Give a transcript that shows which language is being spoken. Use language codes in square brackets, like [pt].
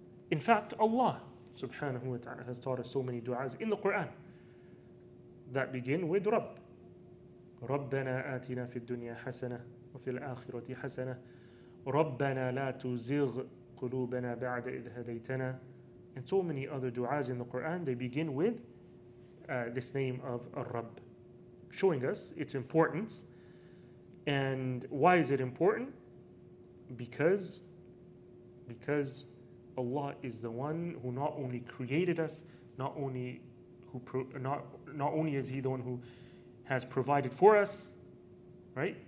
[en] In fact, Allah subhanahu wa ta'ala has taught us so many du'as in the Quran that begin with Rabb. [ar] ربنا آتنا في الدنيا حسنة وفي الآخرة حسنة ربنا لا تزغ قلوبنا بعد إذ هديتنا. [en] And so many other du'as in the Quran, they begin with this name of Rabb, showing us its importance. And why is it important? Because Allah is the one who not only created us, not only is He the one who has provided for us, right?